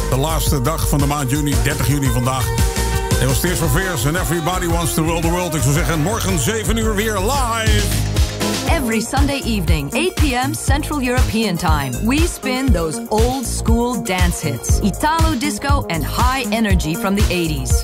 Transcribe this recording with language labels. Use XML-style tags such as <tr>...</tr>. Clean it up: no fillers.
<nl>De laatste dag van de maand juni, 30 juni vandaag.</nl> <en>It was Tears for Fears and Everybody Wants to Rule the World.</en> <nl>Ik zou zeggen, morgen 7 uur weer live.</nl> <en>Every Sunday evening, 8 p.m. Central European time, we spin those old school dance hits. Italo disco and high energy from the 80s.</en>